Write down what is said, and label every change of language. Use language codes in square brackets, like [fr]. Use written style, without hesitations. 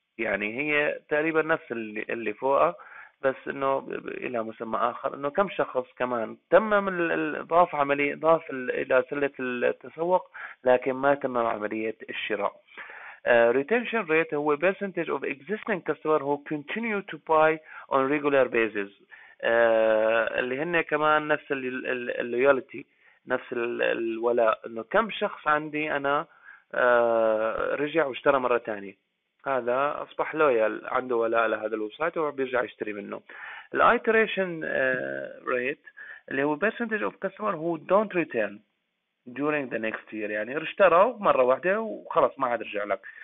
[ar] يعني هي تقريبا نفس اللي فوق بس انه الى مسمى اخر، انه كم شخص كمان تمم ضاف عملية ضاف الى سلة التسوق لكن ما تمم عملية الشراء. [en] Retention rate [ar] هو [en] percentage of existing customer who continue to buy on regular basis. [ar] اللي هن كمان نفس اللويالتي، نفس الولاء، انه كم شخص عندي انا رجع واشترى مرة تانية، هذا اصبح لويال، عنده ولاء لهذا الويب سايت وبيرجع يشتري منه. الايتريشن ريت اللي هو [en] percentage of customer who don't return during the next year، [ar] يعني اشتروا مرة واحدة وخلاص ما عاد رجع لك.